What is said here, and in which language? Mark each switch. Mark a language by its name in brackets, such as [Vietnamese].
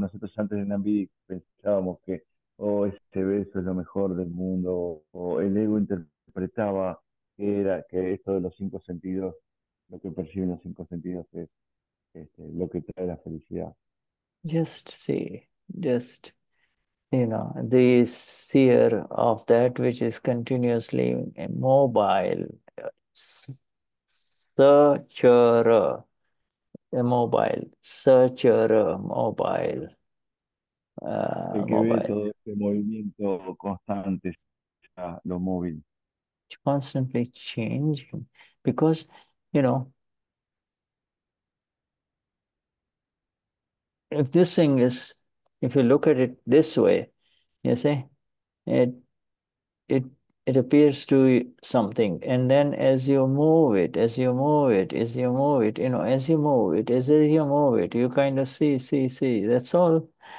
[Spanish] Nosotros antes en Nambi pensábamos que este beso es lo mejor del mundo. El ego interpretaba que era que esto de los cinco sentidos, lo que perciben los cinco sentidos es lo que trae la felicidad. [English] Just see, just, you know, this seer of that which is continuously mobile, searcher, mobile. [Spanish] El que ve todo este movimiento constante, lo móvil. [English] Constantly changing, because, you know, if this thing is, if you look at it this way, you see, it appears to something, and then as you move it, you kind of see. That's all.